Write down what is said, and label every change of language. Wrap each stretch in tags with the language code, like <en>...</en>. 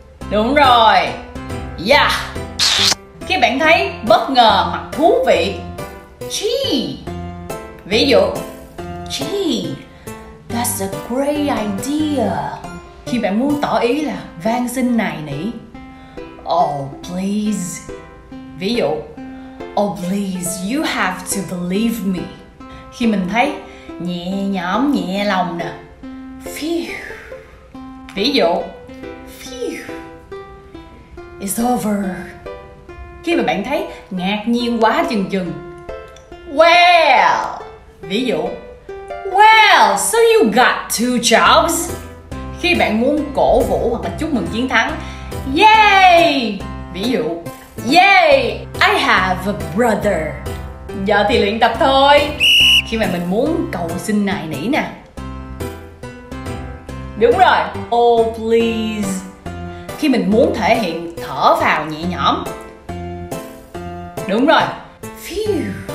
<vi>Đúng rồi. Yeah. Khi bạn thấy bất ngờ hoặc thú vị. Gee. Ví dụ</vi> <en>gee, that's a great idea.</en> <vi>Khi bạn muốn tỏ ý là van xin nài nỉ.</vi> <en>Oh please.</en> <vi>Ví dụ</vi> <en>oh please, you have to believe me.</en> <vi>Khi mình thấy nhẹ nhõm, nhẹ lòng nè. Phew. Ví dụ</vi> <en>phew, it's over.</en> <vi>Khi mà bạn thấy ngạc nhiên quá chừng chừng.</vi> <en>Well.</en> <vi>Ví dụ</vi> <en>well, so you got two jobs.</en> <vi>Khi bạn muốn cổ vũ hoặc là chúc mừng chiến thắng. Yay. Ví dụ</vi> <en>yay, I have a brother.</en> <vi>Giờ thì luyện tập thôi. Khi mà mình muốn cầu xin nài nỉ nè. Đúng rồi.</vi> <en>Oh please.</en> <vi>Khi mình muốn thể hiện thở vào nhẹ nhõm. Đúng rồi. Phew.</vi>